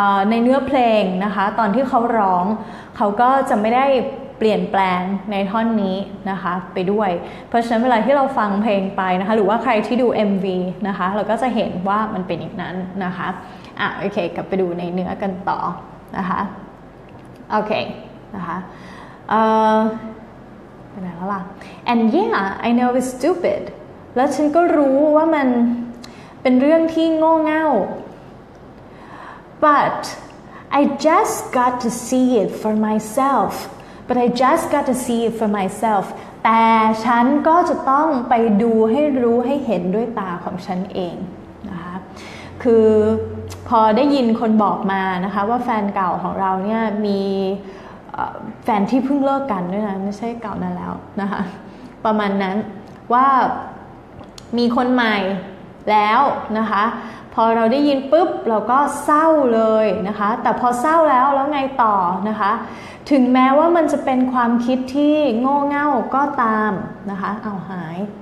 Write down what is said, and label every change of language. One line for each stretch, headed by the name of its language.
Thai: ในเนื้อเพลงนะคะตอนที่เขาร้องเขาก็จะไม่ได้เปลี่ยนแปลงในท่อนนี้นะคะไปด้วยเพราะฉะนั้นเวลาที่เราฟังเพลงไปนะคะหรือว่าใครที่ดู MV นะคะเราก็จะเห็นว่ามันเป็นอย่างนั้นนะคะอ่ะโอเคกลับไปดูในเนื้อกันต่อนะคะโอเคนะคะ
English: And yeah, I know it's stupid.
Thai: แล้วฉันก็รู้ว่ามันเป็นเรื่องที่โง่เง่า
English: But I just got to see it for myself. But I just got to see it for myself.
Thai: แต่ฉันก็จะต้องไปดูให้รู้ให้เห็นด้วยตาของฉันเองนะคะคือพอได้ยินคนบอกมานะคะว่าแฟนเก่าของเราเนี่ยมี แฟนที่เพิ่งเลิกกันด้วยนะไม่ใช่เก่านั้นแล้วนะคะประมาณนั้นว่ามีคนใหม่แล้วนะคะพอเราได้ยินปุ๊บเราก็เศร้าเลยนะคะแต่พอเศร้าแล้วแล้วไงต่อนะคะถึงแม้ว่ามันจะเป็นความคิดที่โง่เง่าก็ตามนะคะเอาหาย